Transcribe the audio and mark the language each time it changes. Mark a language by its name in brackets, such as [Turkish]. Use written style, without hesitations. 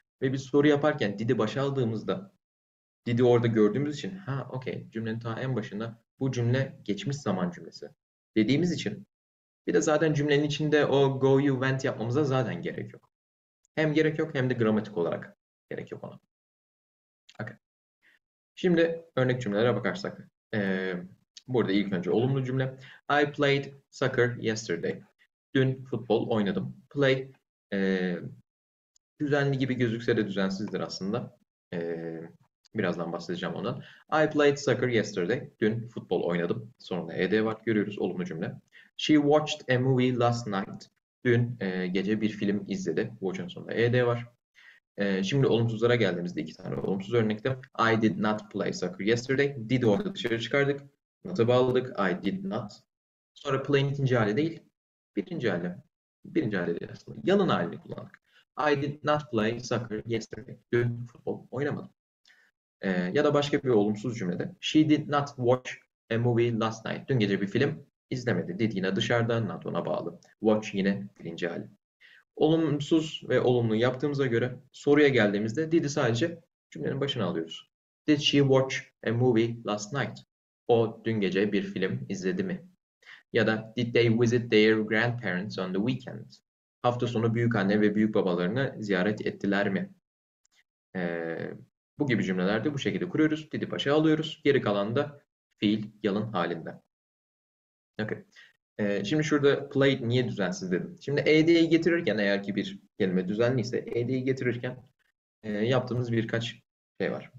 [Turkish] Ve bir soru yaparken did'i başa aldığımızda did'i orada gördüğümüz için ha okey cümlenin ta en başında bu cümle geçmiş zaman cümlesi dediğimiz için bir de zaten cümlenin içinde o [English] go you went [Turkish] yapmamıza zaten gerek yok. Hem gerek yok hem de gramatik olarak gerek yok ona. Okay. Şimdi örnek cümlelere bakarsak. Burada ilk önce olumlu cümle. [English] I played soccer yesterday. [Turkish] Dün futbol oynadım. Play düzenli gibi gözükse de düzensizdir aslında. Birazdan bahsedeceğim ondan. [English] I played soccer yesterday. [Turkish] Dün futbol oynadım. Sonunda ed var. Görüyoruz olumlu cümle. [English] She watched a movie last night. [Turkish] Dün gece bir film izledi. Watch'ın sonunda ed var. Şimdi olumsuzlara geldiğimizde iki tane olumsuz örnekte. [English] I did not play soccer yesterday. [Turkish] Did orada dışarı çıkardık. Not'ı bağladık. [English] I did not. [Turkish] Sonra play'in ikinci hali değil. Birinci hali. Birinci hali değil aslında. Yanın halini kullandık. [English] I did not play soccer yesterday. [Turkish] Dün futbol oynamadım. Ya da başka bir olumsuz cümlede. [English] She did not watch a movie last night. [Turkish] Dün gece bir film izlemedi. Did yine dışarıda. Not ona bağlı. Watch yine birinci hali. Olumsuz ve olumlu yaptığımıza göre soruya geldiğimizde did'i sadece cümlenin başına alıyoruz. [English] Did she watch a movie last night? [Turkish] O dün gece bir film izledi mi? Ya da [English] did they visit their grandparents on the weekend? [Turkish] Hafta sonu büyük anne ve büyük babalarını ziyaret ettiler mi? Bu gibi cümlelerde bu şekilde kuruyoruz. Did'i başa alıyoruz. Geri kalan da fiil yalın halinde. Okay. Şimdi şurada played niye düzensiz dedim. Şimdi ed'yi getirirken eğer ki bir kelime düzenliyse ed'yi getirirken yaptığımız birkaç şey var.